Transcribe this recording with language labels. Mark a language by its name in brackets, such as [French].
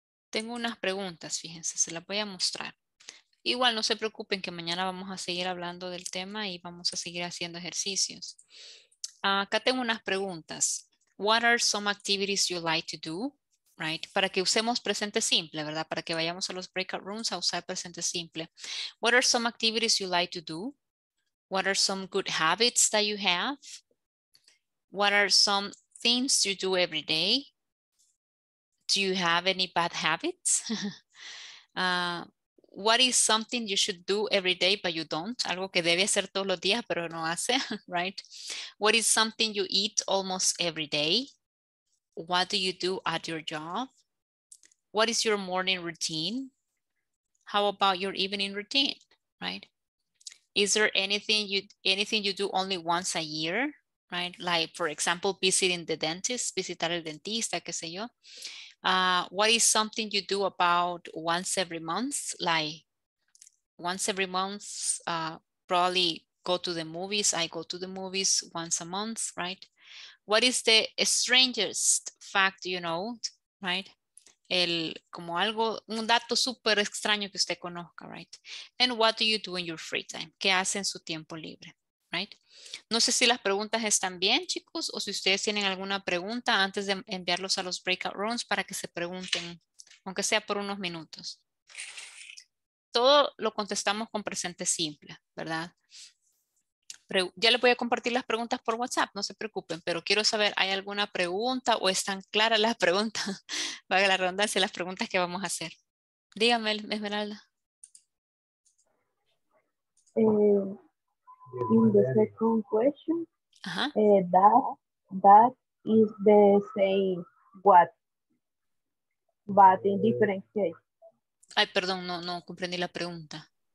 [Spanish] Tengo unas preguntas, fíjense, se las voy a mostrar. Igual no se preocupen que mañana vamos a seguir hablando del tema y vamos a seguir haciendo ejercicios. Acá tengo unas preguntas. [English] What are some activities you like to do? Right? [Spanish] Para que usemos presente simple, ¿verdad? Para que vayamos a los breakout rooms a usar presente simple. [English] What are some activities you like to do? What are some good habits that you have? What are some things you do every day? Do you have any bad habits? What is something you should do every day but you don't? [Spanish] Algo que debe hacer todos los días pero no hace, right? [English] What is something you eat almost every day? What do you do at your job? What is your morning routine? How about your evening routine, right? Is there anything you do only once a year, right? Like, for example, [Spanish] visitar el dentista, qué sé yo. [English] What is something you do about once every month? Like once every month, probably go to the movies. I go to the movies once a month, right? What is the strangest fact you know, right? [Spanish] Un dato súper extraño que usted conozca, right? [English] And what do you do in your free time? [Spanish] ¿Qué hace en su tiempo libre, right? No sé si las preguntas están bien, chicos, o si ustedes tienen alguna pregunta antes de enviarlos a los breakout rooms para que se pregunten, aunque sea por unos minutos. Todo lo contestamos con presente simple, ¿verdad? Ya les voy a compartir las preguntas por WhatsApp, no se preocupen, pero quiero saber, ¿hay alguna pregunta o están claras las preguntas? Vaya la redundancia, las preguntas que vamos a hacer. Dígame, Esmeralda. [English] In the second question, that is the same what, but in different case. [Spanish] Ay, perdón, no comprendí la pregunta.